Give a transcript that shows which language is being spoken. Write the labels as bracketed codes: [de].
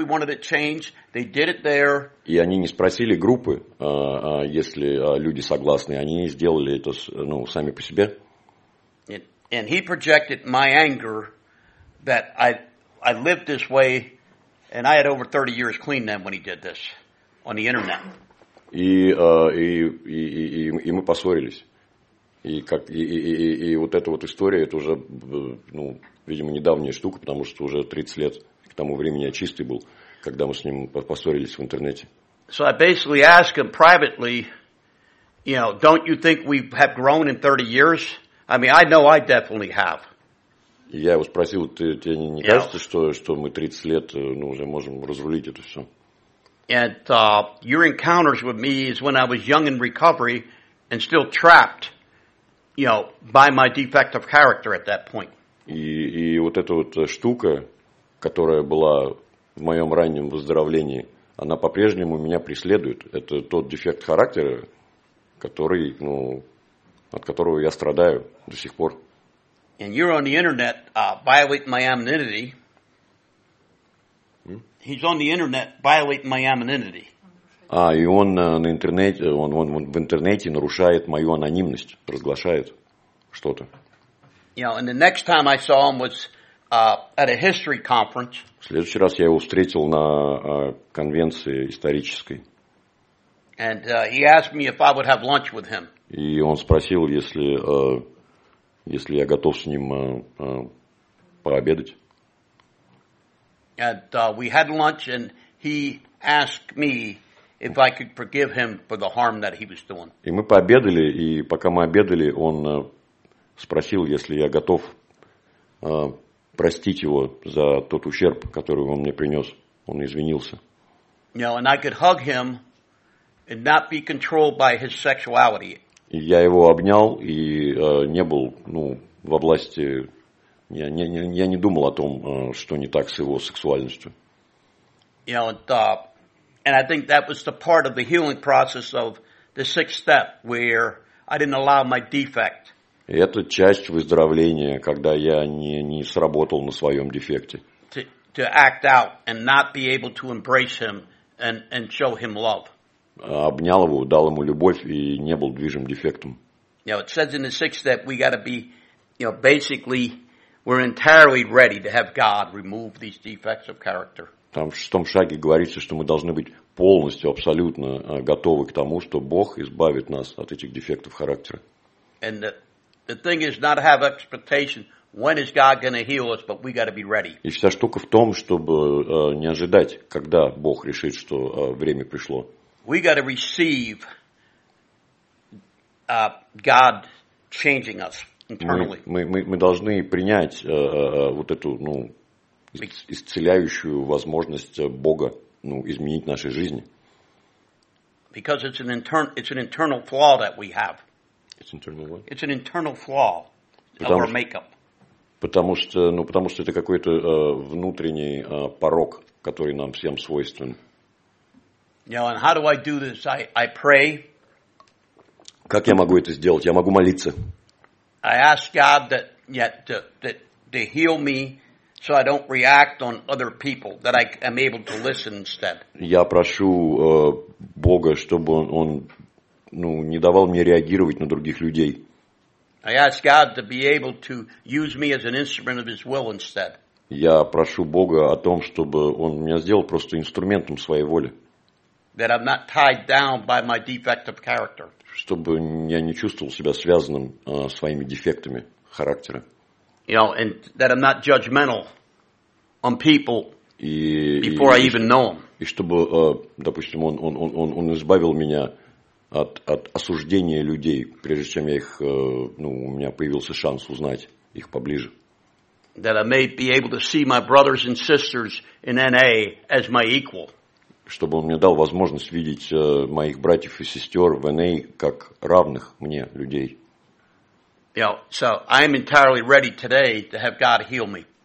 [ru] И они не спросили группы, если люди согласны. Они сделали это сами по себе. [en] And he projected my anger that I lived this way and I had over 30 years clean then when he did this on the internet. [ru] И мы поссорились. И вот эта вот история, это уже, видимо, недавняя штука, потому что уже 30 лет к тому времени я чистый был, когда мы с ним поссорились в интернете. [en] So I basically asked him privately, don't you think we have grown in 30 years? I mean, I know I definitely have. [ru] Я его спросил, тебе не кажется, что мы 30 лет уже можем разрулить это все? [en] And your encounters with me is when I was young in recovery and still trapped, by my defect of character at that point. [ru] И вот эта вот штука, которая была в моем раннем выздоровлении, она по-прежнему меня преследует. Это тот дефект характера, который, от которого я страдаю до сих пор. [en] And you're on the internet violating my anonymity. He's on the internet violating my anonymity. [ru] И он на интернете, он в интернете нарушает мою анонимность, разглашает что-то. [en] And the next time I saw him was at a history conference. [ru] В следующий раз я его встретил на конвенции исторической. [en] And he asked me if I would have lunch with him. [ru] И он спросил, если я готов с ним пообедать. [en] And we had lunch, and he asked me if I could forgive him for the harm that he was doing. [ru] И мы пообедали, и пока мы обедали, он спросил, если я готов простить его за тот ущерб, который он мне принес. Он извинился. [en] And I could hug him and not be controlled by his sexuality. [ru] И я его обнял и не был, во власти. Я не думал о том, что не так с его сексуальностью. [en] And I think that was the part of the healing process of the sixth step, where I didn't allow my defect. [ru] Это часть выздоровления, когда я не сработал на своем дефекте. [en] To act out and not be able to embrace him and show him love. [ru] Обнял его, дал ему любовь и не был движим дефектом. [en] It says in the sixth step we got to be, basically we're entirely ready to have God remove these defects of character. [ru] Там в шестом шаге говорится, что мы должны быть полностью, абсолютно готовы к тому, что Бог избавит нас от этих дефектов характера. [en] And the thing is not to have expectation when is God going to heal us, but we got to be ready. [ru] И вся штука в том, чтобы не ожидать, когда Бог решит, что время пришло. [en] We got to receive God changing us. [ru] Мы должны принять вот эту исцеляющую возможность Бога изменить наши жизни. [en] Because it's an internal flaw that we have. It's internal what? It's an internal flaw of our makeup. [ru] Потому что это какой-то внутренний порок, который нам всем свойственен. [en] And how do I do this? I pray. [ru] Как я могу это сделать? Я могу молиться. [en] I ask God that to heal me, so I don't react on other people. That I am able to listen instead. [ru] Я прошу Бога, чтобы он ну, не давал мне реагировать на других людей. [en] I ask God to be able to use me as an instrument of His will instead. [ru] Я прошу Бога о том, чтобы Он меня сделал просто инструментом своей воли. [en] That I'm not tied down by my defect of character. [ru] Чтобы я не чувствовал себя связанным своими дефектами характера. [en] You know, and that I'm not judgmental on people before I even know them. [ru] И чтобы, допустим, он избавил меня от осуждения людей, прежде чем я их, ну, у меня появился шанс узнать их поближе. [en] That I may be able to see my brothers and sisters in NA as my equal. [ru] Чтобы он мне дал возможность видеть моих братьев и сестер в NA как равных мне людей. [en] You know, so I'm entirely ready today to have God heal me.